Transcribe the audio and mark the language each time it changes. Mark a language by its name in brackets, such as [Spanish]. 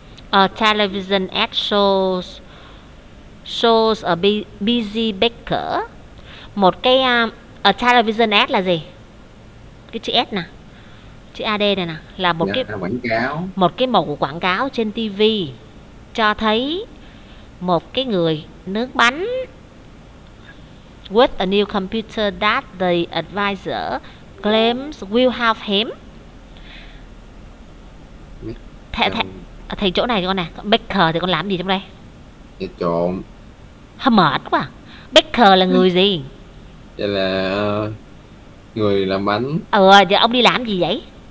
[English] A television ad shows a busy baker. [Vietnamese] Một cái... [English] A television ad [Vietnamese] là gì? Cái chữ S nè. Chữ AD này nè, là một cái quảng cáo. Một cái mẫu quảng cáo trên TV cho thấy một cái người nướng bánh. [English] With a new computer that the advisor claims will help him. [Vietnamese] Thầy chỗ này thì con nè, baker thì con làm gì trong đây? Trộn. Hơi mệt quá. Baker là người gì? Thì là người làm bánh. Thì ông đi làm gì vậy?